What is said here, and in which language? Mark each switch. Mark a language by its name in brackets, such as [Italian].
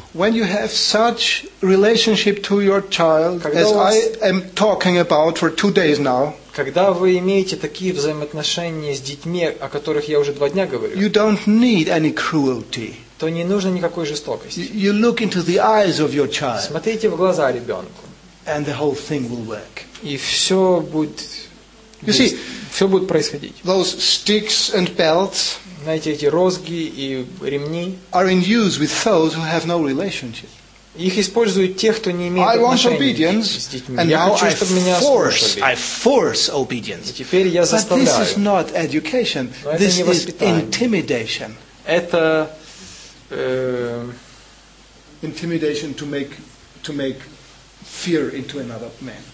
[English] When you have such relationship to your child, [Russian] когда [English] as [Russian] вас, [English] I am talking about for two days now, [Russian] когда вы имеете такие взаимоотношения с детьми, о которых я уже два дня говорю, [English] you don't need any cruelty. [Russian] То не нужно никакой жестокости. [English] You look into the eyes of your child. [Russian] Смотрите в глаза ребенку. [English] And the whole thing will work. [Russian] И все будет. [English] You see, [Russian] все будет происходить. [English] Those sticks and belts. [Russian] Знаете, эти розги и ремни. [English] Are in use with those who have no relationship. [Russian] Их используют те, кто не имеет отношения с детьми. [English] And [Russian] я [English] now [Russian] хочу, чтобы меня слушали. [English] I force obedience. [Russian] И теперь я заставляю. [English] But this is not education. This [Russian] это не [English] is intimidation. [Russian] Это [English] intimidation to make fear into another man.